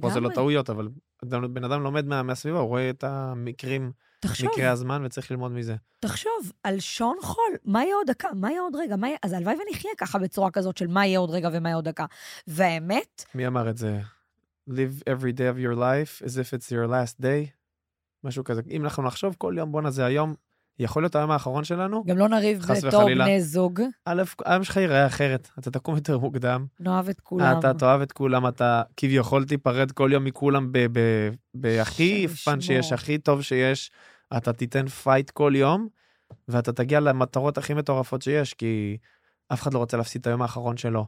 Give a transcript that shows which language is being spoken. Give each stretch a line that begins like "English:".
Hebrew: פה זה לא טעויות, אבל בן אדם לומד מהסביבה, הוא רואה את המקרים, תחשוב. מקרי הזמן, וצריך ללמוד מזה. תחשוב, על שעון חול, מה יהיה עוד דקה? מה יהיה עוד רגע? מה... אז הלוואי ונחיה ככה בצורה כזאת של מה יהיה עוד רגע ומה יהיה עוד דקה. והאמת... מי אמר את זה?
English: Live every day of your life as if it's your last day?
Hebrew: משהו כזה. אם אנחנו נחשוב כל יום, בוא נעשה היום, יכול להיות היום האחרון שלנו. גם לא נריב בתור בני זוג. היום שלך יראה אחרת, אתה תקום יותר מוקדם. נאהב את כולם. אתה תאהב את כולם, אתה כביכול תיפרד כל יום מכולם, בהכי פן שיש, הכי טוב שיש, אתה תיתן פייט כל יום, ואתה תגיע למטרות הכי מטורפות שיש, כי אף אחד לא רוצה להפסיד את היום האחרון שלו.